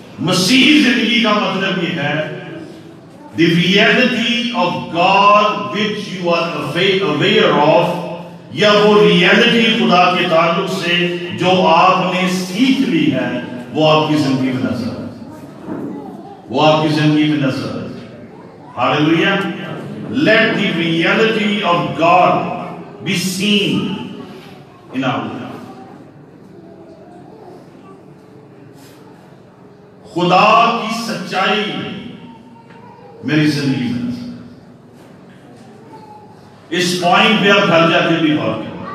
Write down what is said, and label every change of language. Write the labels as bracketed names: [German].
[Urdu] مسیحی زندگی کا مطلب یہ ہے [English] the reality of God which you are aware of, [Urdu] یا وہ ریئلٹی خدا کے تعلق سے جو آپ نے سیکھ لی ہے وہ آپ کی زندگی میں نظر آئے، وہ آپ کی زندگی میں نظر آئے. [English] Hallelujah. Let the reality of God be seen in our life. [Urdu] خدا کی سچائی میری زندگی میں. اس پوائنٹ پہ آپ گھر جا کے بھی غور کریں.